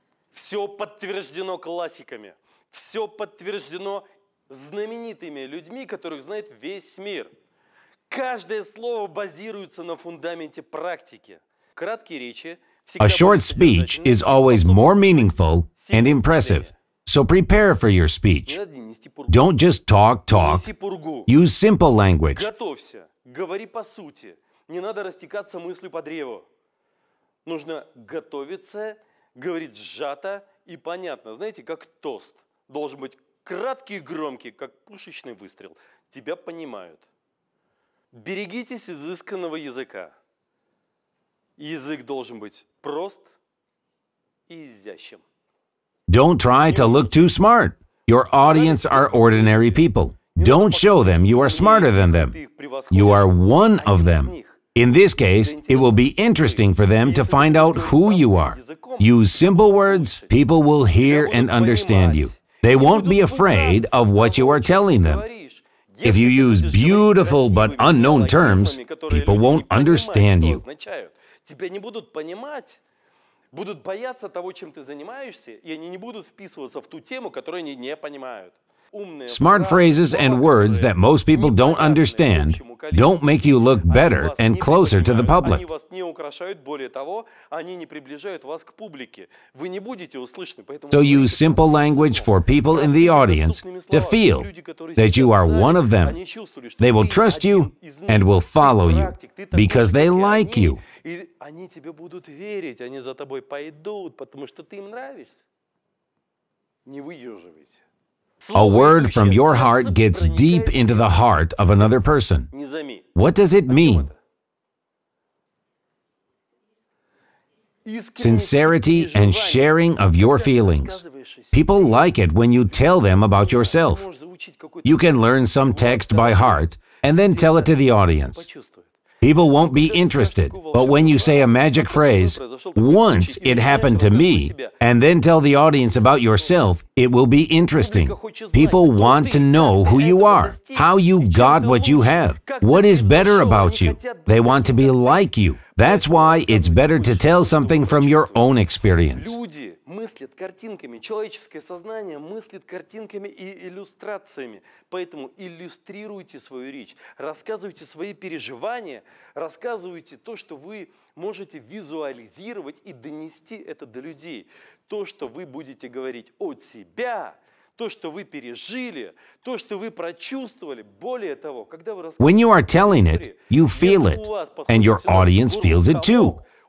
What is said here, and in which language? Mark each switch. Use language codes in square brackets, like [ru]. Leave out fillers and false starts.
[ru] Все подтверждено классиками, все подтверждено знаменитыми людьми, которых знает весь мир. Каждое слово базируется на фундаменте практики. Краткие речи. [en] A short speech is always more meaningful and impressive, so prepare for your speech. Don't just talk, talk. Use simple language. [ru] Готовься, говори по сути. Не надо растекаться мыслью по древу. Нужно готовиться, говорить сжато и понятно. Знаете, как тост. Должен быть краткий и громкий, как пушечный выстрел. Тебя понимают. Берегитесь изысканного языка. Язык должен быть прост и изящен. [en] Don't try to look too smart. Your audience are ordinary people. Don't show them you are smarter than them. You are one of them. In this case, it will be interesting for them to find out who you are. Use simple words, people will hear and understand you. They won't be afraid of what you are telling them. If you use beautiful but unknown terms, people won't understand you. [ru] Тебя не будут понимать, будут бояться того, чем ты занимаешься, и они не будут вписываться в ту тему, которую они не понимают. [en] Smart phrases and words that most people don't understand don't make you look better and closer to the public. [ru] Они вас не украшают, более того, они не приближают вас к публике. Вы не будете услышаны, поэтому... [en] So use simple language for people in the audience to feel that you are one of them. They will trust you and will follow you, because they like you. [ru] И они тебе будут верить, они за тобой пойдут, потому что ты им нравишься. Не выеживайся. [en] A word from your heart gets deep into the heart of another person. What does it mean? Sincerity and sharing of your feelings. People like it when you tell them about yourself. You can learn some text by heart and then tell it to the audience. People won't be interested. But when you say a magic phrase, once it happened to me, and then tell the audience about yourself, it will be interesting. People want to know who you are, how you got what you have, what is better about you. They want to be like you. That's why it's better to tell something from your own experience. [ru] Мыслит картинками, человеческое сознание мыслит картинками и иллюстрациями. Поэтому иллюстрируйте свою речь, рассказывайте свои переживания, рассказывайте то, что вы можете визуализировать и донести это до людей. То, что вы будете говорить от себя, то, что вы пережили, то, что вы прочувствовали. Более того, когда вы рассказываете... [en] When you are telling it, you feel it, and your audience feels it too.